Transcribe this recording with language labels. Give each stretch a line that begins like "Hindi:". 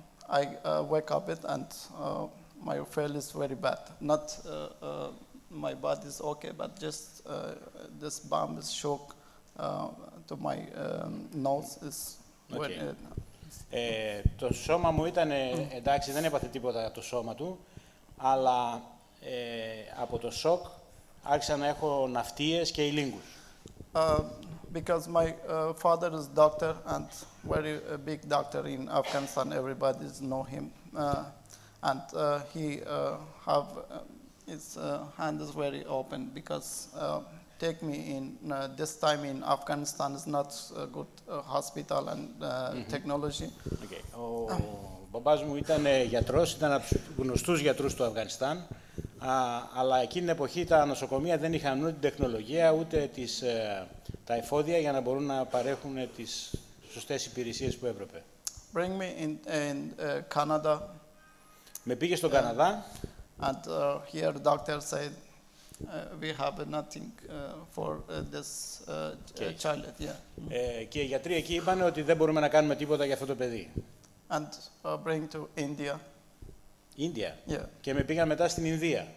English: I wake up it and my feel is very bad. Not my body is okay, but just this bomb is shock to my nose is okay.
Greek: Where, το σώμα μου ήταν εντάξει, δεν έπαθε τίποτα από το σώμα του, αλλά από το σοκ άρχισα να έχω ναυτίες και ηλίγκους.
English: Because my father is doctor and very big doctor in Afghanistan, everybody know him, and he have his hand is very open because take me in this time in Afghanistan is not a good hospital and technology. Okay.
Greek: Ο μπαμπάς μου ήταν γιατρός, ήταν από τους γνωστούς γιατρούς του Αφγανιστάν. Αλλά εκείνη την εποχή τα νοσοκομεία δεν είχαν ούτε την τεχνολογία ούτε τα εφόδια για να μπορούν να παρέχουν τις σωστές υπηρεσίες που έπρεπε.
English: Bring me in Canada.
Greek: Με πήγε στον Καναδά.
English: And here the doctor said we have nothing for this child. Yeah.
Greek: Και οι γιατροί εκεί είπαν ότι δεν μπορούμε να κάνουμε τίποτα για αυτό το παιδί.
English: And bring to India. India. Yeah.
Greek: Και με πήγαν μετά στην Ινδία.